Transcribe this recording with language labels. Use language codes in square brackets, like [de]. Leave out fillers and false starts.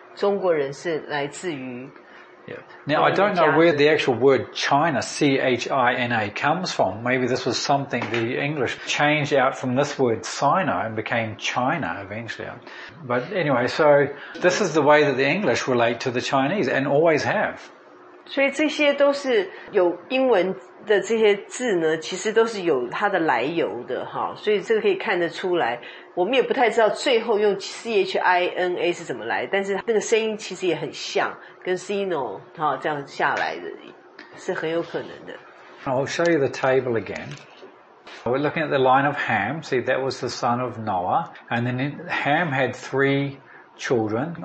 [zh] 所以它这个就是同一个就是字根一直这样演变下来，就表明了我们中国人是来自于。Yeah. [en] Now I don't know where the actual word China, C-H-I-N-A, comes from. Maybe this was something the English changed out from this word Sino and became China eventually. But anyway, so this is the way that the English relate to the Chinese and always have. [zh] 所以这些都是有英文的这些字呢，其实都是有它的来由的哈，所以这个可以看得出来。我们也不太知道最后用China是怎么来，但是那个声音其实也很像，跟Sino这样下来的，是很有可能的。 [en] I'll show you the table again. We're looking at the line of Ham. See, that was the son of Noah. And then Ham had three children.